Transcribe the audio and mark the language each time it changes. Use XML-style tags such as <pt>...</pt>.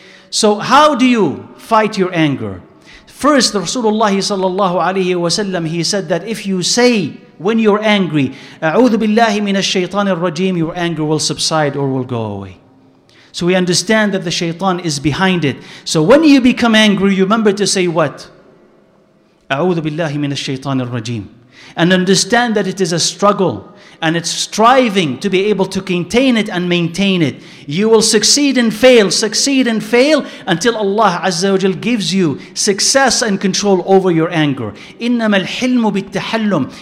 <en>So how do you fight your anger? First, Rasulullah sallallahu alayhi wa sallam, he said that if you say when you're angry,</en> <ar>أعوذ بالله من الشيطان الرجيم,</ar> <en>your anger will subside or will go away. So we understand that the shaitan is behind it. So when you become angry, you remember to say what?</en> <ar>أعوذ بالله من الشيطان الرجيم.</ar> <en>And understand that it is a struggle and it's striving to be able to contain it and maintain it. You will succeed and fail until Allah Azza wa Jal gives you success and control over your anger.</en> <ar>إنما الحلم بالتحلم.</ar>